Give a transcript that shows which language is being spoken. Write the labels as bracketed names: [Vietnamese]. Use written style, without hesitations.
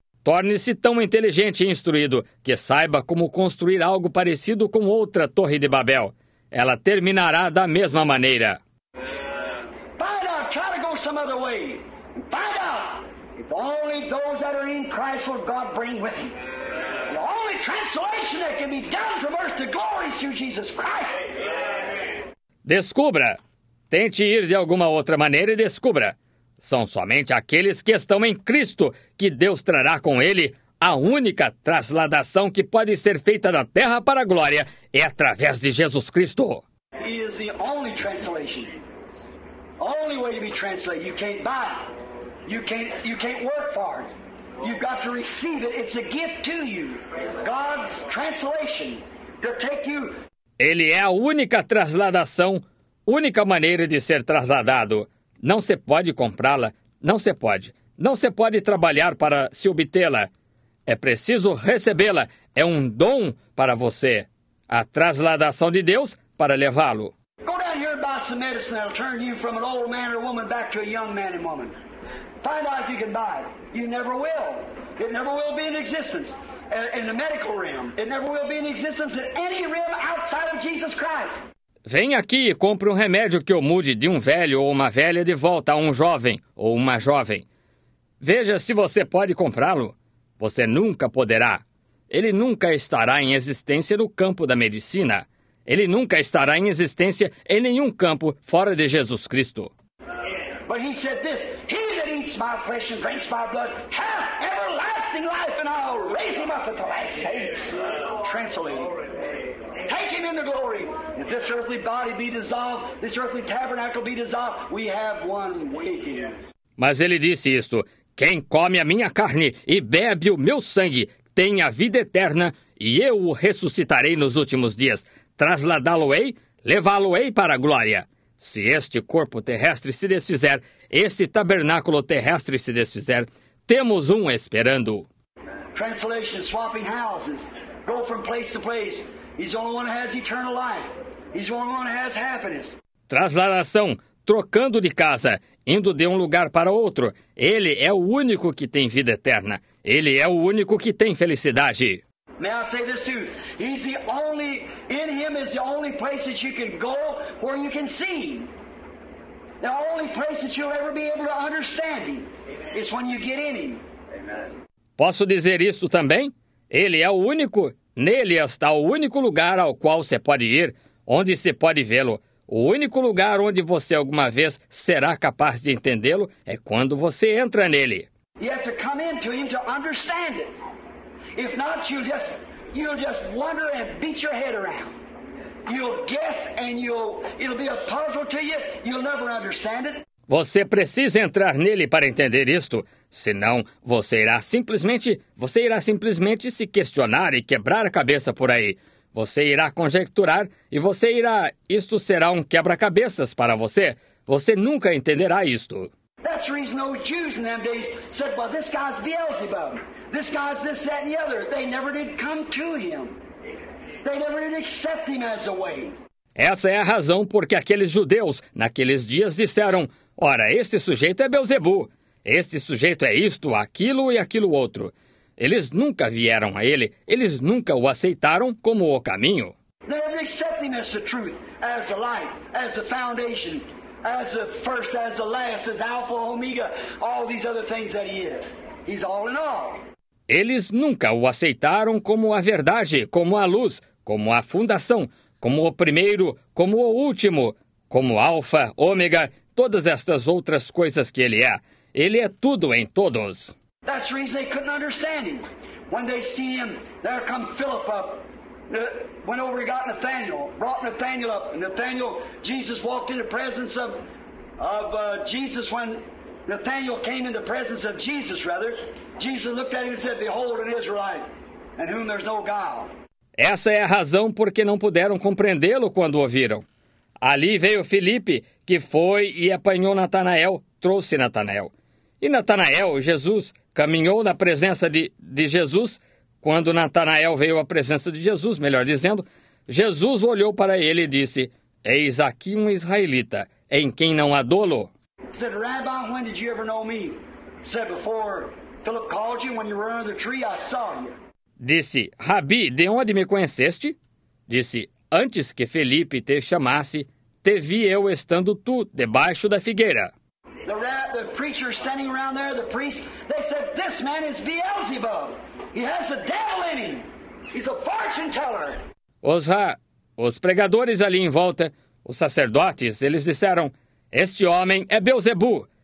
[Portuguese] Torne-se tão inteligente e instruído que saiba como construir algo parecido com outra Torre de Babel. Ela terminará da mesma maneira. [English] Find out, try to go some other way. Find out. If only those that are in Christ will God bring with him. Only translation that can be done from earth to glory through Jesus Christ. [Portuguese] Descubra. Tente ir de alguma outra maneira e descubra. São somente aqueles que estão em Cristo que Deus trará com ele. A única trasladação que pode ser feita da terra para a glória é através de Jesus Cristo. [English] He is the only translation. Only way to be translated. You can't buy it. You can't work for it. You've got to receive it. It's a gift to you. God's translation to take you. [Portuguese] Ele é a única trasladação, única maneira de ser trasladado. Não se pode comprá-la, não se pode. Não se pode trabalhar para se obtê-la. É preciso recebê-la. É um dom para você. A trasladação de Deus para levá-lo. [English] Go down here and buy some medicine that'll turn you from an old man or woman back to a young man and woman. Find out if you can buy it. You never will. It never will be in existence in the medical realm. It never will be in existence in any realm outside of Jesus Christ. [Portuguese] Venha aqui e compre um remédio que o mude de um velho ou uma velha de volta a um jovem ou uma jovem. Veja se você pode comprá-lo. Você nunca poderá. Ele nunca estará em existência no campo da medicina. Ele nunca estará em existência em nenhum campo fora de Jesus Cristo. [English] But he said this, he that eats my flesh and drinks my blood hath everlasting life, and I'll raise him up at the last day. Translating. Take him into glory. If this earthly body be dissolved, this earthly tabernacle be dissolved, we have one waiting. [Portuguese] Mas ele disse isto, quem come a minha carne e bebe o meu sangue tem a vida eterna, e eu o ressuscitarei nos últimos dias. Trasladá-lo-ei, levá-lo-ei para a glória. Se este corpo terrestre se desfizer, este tabernáculo terrestre se desfizer, temos um esperando. [English] Translation, swapping houses, go from place to place. He's the only one who has eternal life. He's the only one who has happiness. [Portuguese] Trasladação, trocando de casa, indo de um lugar para outro. Ele é o único que tem vida eterna. Ele é o único que tem felicidade. [English] May I say this too? He's the only, in him is the only place that you can go where you can see. The only place that you'll ever be able to understand him is when you get in him. [Portuguese] Posso dizer isso também? Ele é o único, nele está o único lugar ao qual você pode ir, onde você pode vê-lo. O único lugar onde você alguma vez será capaz de entendê-lo é quando você entra nele. [English] You have to come into him to understand it. If not, you'll just wonder and beat your head around. You'll guess and it'll be a puzzle to you. You'll never understand it. [Portuguese] Você precisa entrar nele para entender isto. Senão, você irá simplesmente se questionar e quebrar a cabeça por aí. Você irá conjecturar e você irá... Isto será um quebra-cabeças para você. Você nunca entenderá isto. [English] That's the reason those Jews in them days said, well, this guy's Beelzebub. This guy's this, that, and the other. They never did come to him. They never did accept him as a way. [Portuguese] Essa é a razão porque aqueles judeus, naqueles dias, disseram, ora, este sujeito é Beelzebu. Este sujeito é isto, aquilo e aquilo outro. Eles nunca vieram a ele. Eles nunca o aceitaram como o caminho. [English] They never accept him as the truth, as the light, as the foundation, as the first, as the last, as Alpha, Omega, all these other things that he is. He's all in all. [Portuguese] Eles nunca o aceitaram como a verdade, como a luz, como a fundação, como o primeiro, como o último, como Alpha, Omega, todas estas outras coisas que ele é. Ele é tudo em todos. [English] That's the reason they couldn't understand him. When they see him, there come Philip up. Went over and got Nathaniel, brought Nathaniel up. And Nathaniel, Jesus walked in the presence of Jesus. When Nathaniel came in the presence of Jesus, rather, Jesus looked at him and said, behold, an Israelite, in whom there's no guile. [Portuguese] Essa é a razão porque não puderam compreendê-lo quando o viram. Ali veio Filipe, que foi e apanhou Natanael, trouxe Natanael. E Natanael, Jesus, caminhou na presença de Jesus... Quando Natanael veio à presença de Jesus, melhor dizendo, Jesus olhou para ele e disse, eis aqui um israelita, em quem não há dolo. [English] Said, Rabbi, when did you ever know me? Said, before Philip called you, when you were under the tree, I saw you. [Portuguese] Disse, Rabi, de onde me conheceste? Disse, antes que Felipe te chamasse, te vi eu estando tu debaixo da figueira. [English] The preacher standing around there, the priest, they said, this man is Beelzebub. He has the devil in him. He's a fortune teller. [Portuguese] Os pregadores ali em volta, os sacerdotes, eles disseram, este homem é Beelzebu.